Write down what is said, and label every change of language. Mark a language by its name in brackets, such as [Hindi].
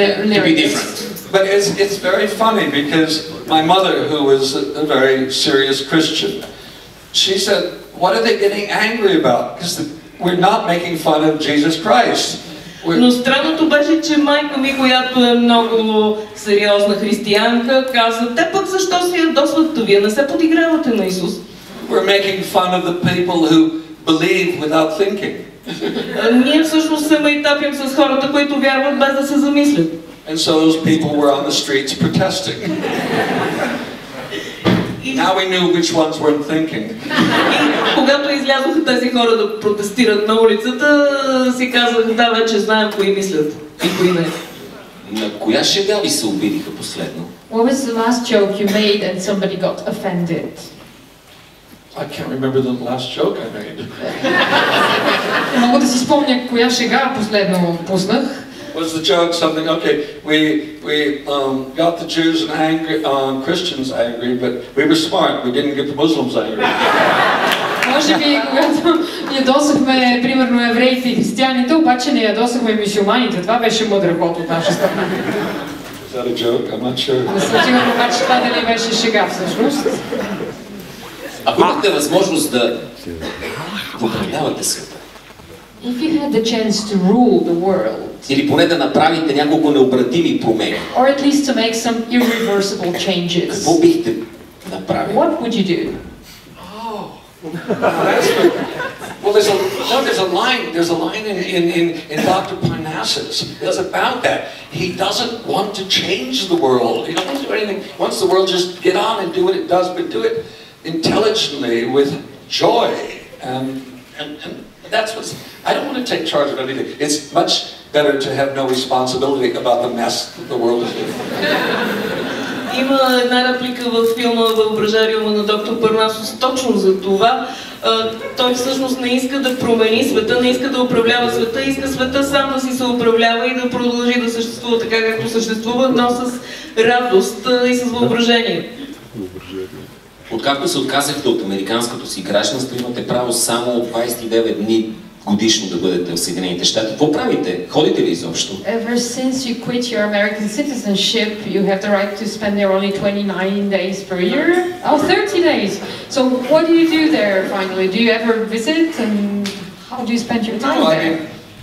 [English] But it's very funny because my mother, who was a very serious Christian, she said, what are they getting angry about? Because we're not making fun of Jesus Christ. [Bulgarian] Но странното беше, че майка ми, която е много сериозна християнка, каза, те пък защо си ядосват, вие не се подигравате на Исус. [English] We're making fun of the people who believe without thinking. [Bulgarian] Ние всъщност се майтапим с хората, които вярват без да се замислят. [English] And so those people were on the streets protesting. Now we knew which ones weren't thinking. [Bulgarian] Когато излязоха тези хора да протестират на улицата, си казвах, да, вече знаем кои мислят и кои не. На коя шега ви се обидиха последно? [English] What was the last joke you made and somebody got offended? I can't remember the last joke I made. [Bulgarian] Мога да си спомня коя шега последно пуснах. [English] Was the joke something, okay, we got the Jews and angry, Christians angry, but we were smart, we didn't get the Muslims angry. [Bulgarian] Може би, когато ядосахме, примерно, евреите и християните, обаче не ядосахме мюсюлманите. Това беше мъдър ход от наша страна. [English] Is that a joke? I'm not sure. [Bulgarian] Не сетивам, обаче това дали беше шега всъщност. Ако имате възможност да управлявате света, [English] if you had the chance to rule the world, [Bulgarian] или поне да направите няколко необратими промени, [English] or at least to make some irreversible changes, [Bulgarian] какво бихте направили? [English] What would you do? Oh, that's well, there's a line in Dr. Parnassus. It's about that. He doesn't want to change the world. He doesn't want to do anything. He wants the world just get on and do what it does, but do it intelligently with joy. And that's what's. I don't want to take charge of anything. It's much better to have no responsibility about the mess that the world is doing. [Bulgarian] Има една реплика в филма Въображариума на доктор Парнасос точно за това. Той всъщност не иска да промени света, не иска да управлява света, иска света сам да си се управлява и да продължи да съществува така както съществува, но с радост и с въображение. Откакто се отказахте от американското си гражданство, имате право само 29 дни годишно да бъдете в Съединените щати. Какво правите? Ходите ли изобщо? [English] Ever since you quit your American citizenship, you have the right to spend there only 29 days per year. Oh, 30 days. So what do you do there finally? Do you ever visit and how do you spend your time there?